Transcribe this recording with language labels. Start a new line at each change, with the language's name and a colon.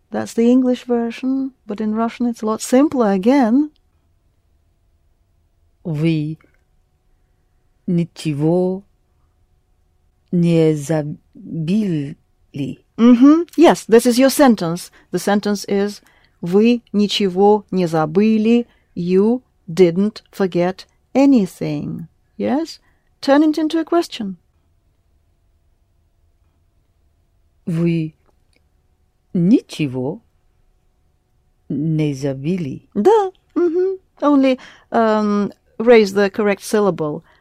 English: That's the English version, but in Russian it's a lot simpler again.
Russian: Вы ничего не забыли. Mm-hmm.
English: Yes, this is your sentence. The sentence is
Russian: вы ничего не забыли.
English: You didn't forget anything. Yes? Turn it into a question.
Russian: Вы ничего не забыли.
English: Да. Mm-hmm. Only raise the correct syllable.